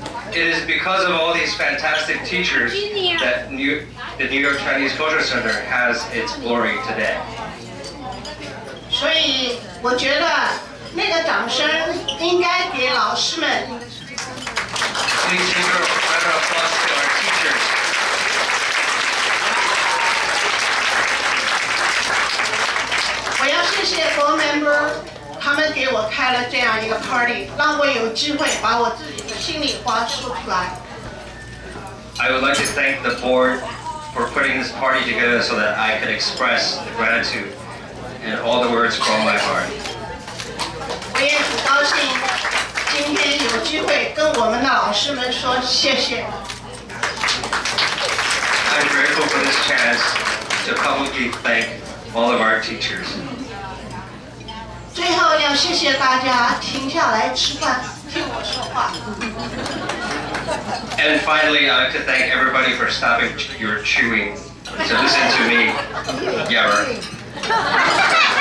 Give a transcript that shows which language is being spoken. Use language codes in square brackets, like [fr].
[en] It is because of all these fantastic teachers that the New York Chinese Culture Center has its glory today. [zh] 我觉得那个掌声应该给老师们。我要谢谢 board member， 他们给我开了这样一个 party， 让我有机会把我自己的心里话说出来。 [en] I would like to thank the board for putting this party together so that I could express the gratitude and all the words from my heart. [zh] 我也很高兴今天有机会跟我们的老师们说谢谢。 [en] I'm grateful for this chance to publicly thank all of our teachers. [zh] 最后要谢谢大家停下来吃饭，听我说话。 [en] And finally, I'd like to thank everybody for stopping your chewing to listen to me yammer.